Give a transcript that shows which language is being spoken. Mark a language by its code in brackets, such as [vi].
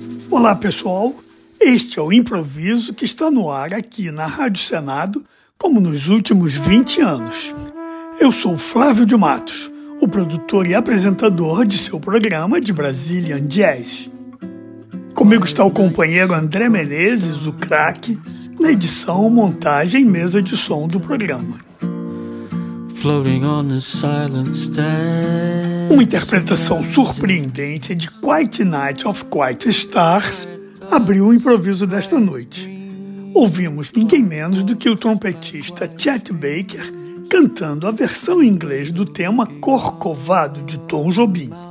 [pt] Olá pessoal, este é o Improviso que está no ar aqui na Rádio Senado, como nos últimos 20 anos. Eu sou Flávio de Matos, o produtor e apresentador de seu programa de Brazilian Jazz. Comigo está o companheiro André Menezes, o craque, na edição, montagem e mesa de som do programa. [en] Floating on the silent stars. [pt] Uma interpretação surpreendente de Quiet Night of Quiet Stars abriu o improviso desta noite. Ouvimos ninguém menos do que o trompetista Chet Baker cantando a versão em inglês do tema Corcovado, de Tom Jobim.